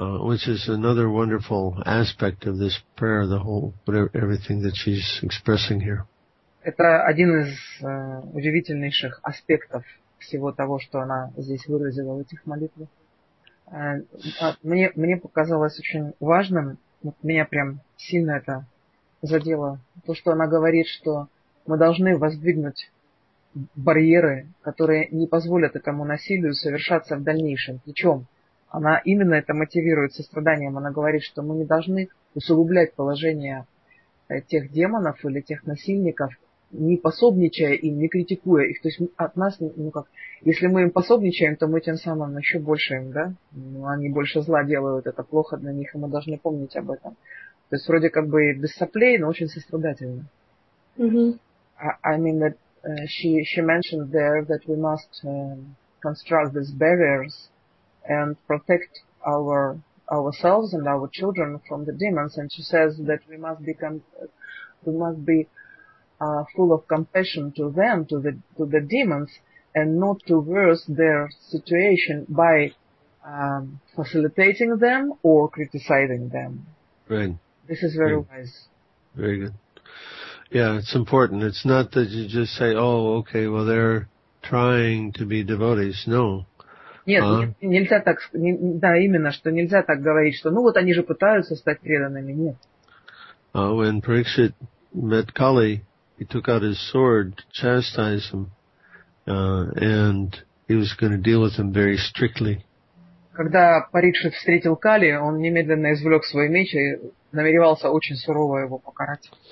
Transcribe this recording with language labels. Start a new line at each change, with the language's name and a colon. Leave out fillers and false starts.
English: Which is another wonderful aspect of this prayer, the whole, whatever, everything that she's expressing here.
Russian: Это один из удивительнейших аспектов всего того, что она здесь выразила в этих молитвах. Мне показалось очень важным, вот меня прям сильно это задело, то, что она говорит, что мы должны воздвигнуть барьеры, которые не позволят этому насилию совершаться в дальнейшем. Причем она именно это мотивирует состраданием. Она говорит, что мы не должны усугублять положение тех демонов или тех насильников, не пособничая им, не критикуя их. То есть от нас, ну как, если мы им пособничаем, то мы тем самым еще больше им, да? Ну, они больше зла делают, это плохо для них, и мы должны помнить об этом. То есть вроде как бы без соплей, но очень сострадательно.
English: I mean that she mentioned there that we must construct these barriers and protect ourselves and our children from the demons. And she says that we must be full of compassion to them, to the demons, and not to worse their situation by facilitating them or criticizing them. Right. This is very wise. Very good. Yeah, it's important. It's not that you just say, oh, okay, well, they're trying to be devotees. No.
Russian: Нет, нельзя так, да, именно, что нельзя так говорить, что, ну вот они же пытаются стать преданными. Нет.
English: When Parikshit met Kali, he took out his sword to chastise him, and he was going to deal with him very strictly.
Russian: Когда Парикшит встретил Кали, он немедленно извлек свой меч и намеревался очень сурово его покарать.